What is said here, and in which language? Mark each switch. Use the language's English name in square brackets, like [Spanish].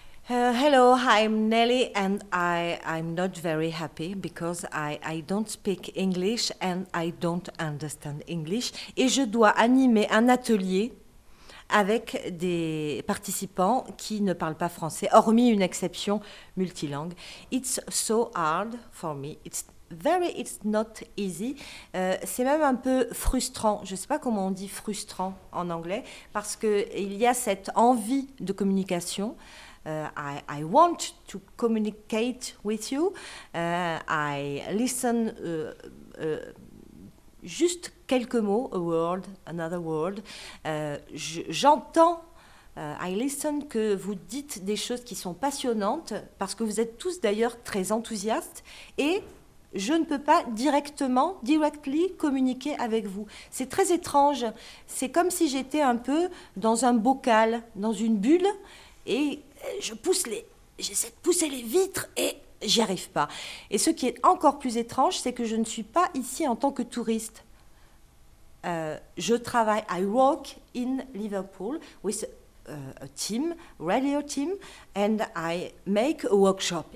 [English] Hello, I'm Nelly, and I'm not very happy because I don't speak English and I don't understand English. [French] Et je dois animer un atelier avec des participants qui ne parlent pas français, hormis une exception multilingue. [English] It's so hard for me. It's not easy. [French] C'est même un peu frustrant. Je ne sais pas comment on dit frustrant en anglais, parce qu'il y a cette envie de communication. [English] I want to communicate with you. I listen [French] juste quelques mots, [English] a word, another word. [French] J'entends, [English] I listen [French] que vous dites des choses qui sont passionnantes, parce que vous êtes tous d'ailleurs très enthousiastes, et je ne peux pas directly communiquer avec vous. C'est très étrange. C'est comme si j'étais un peu dans un bocal, dans une bulle, et j'essaie de pousser les vitres et j'y arrive pas. Et ce qui est encore plus étrange, c'est que je ne suis pas ici en tant que touriste. Je travaille, [English] I work in Liverpool with a team, radio team, and I make a workshop.